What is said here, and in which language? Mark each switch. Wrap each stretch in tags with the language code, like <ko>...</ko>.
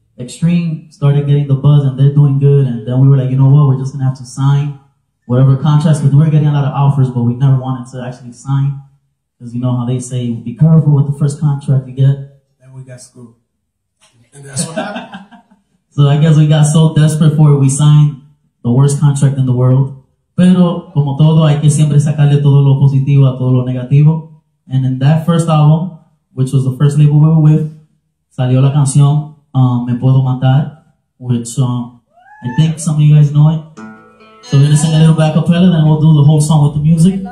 <en>Extreme started getting the buzz and they're doing good. And then we were like, you know what, we're just going to have to sign whatever contracts, because we were getting a lot of offers, but we never wanted to actually sign. Because you know how they say, be careful with the first contract you get. Then we got screwed. And that's what happened. So I guess we got so desperate for it, we signed the worst contract in the world.</en> <es>Pero, como todo, hay que siempre sacarle todo lo positivo a todo lo negativo.</es> <en>And in that first album, which was the first label we were with,</en> <es>salió la canción,</es> <en>Me Puedo Matar, which I think some of you guys know it. So we're going to sing a little back up and then we'll do the whole song with the music.</en>